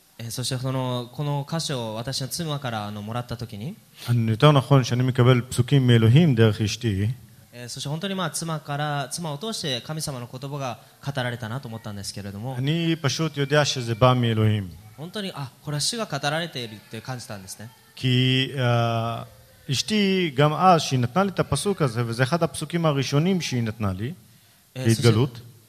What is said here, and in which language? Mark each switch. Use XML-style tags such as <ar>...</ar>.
<ja>そしてそのこの箇所を私の妻からあのもらった時に、</ja> <he>יותר נכון שאני מקבל פסוקים מאלוהים דרך אשתי,</he> <ja>そして本当にまあ妻から妻を通して神様の言葉が語られたなと思ったんですけれども、</ja> <he>אני פשוט יודע שזה בא מאלוהים.</he> <ja>本当にあこれは主が語られているって感じたんですね。</ja> <he>כי אשתי גם אז שהיא נתנה לי את הפסוק הזה, וזה אחד הפסוקים הראשונים שהיא נתנה לי בהתגלות,</he>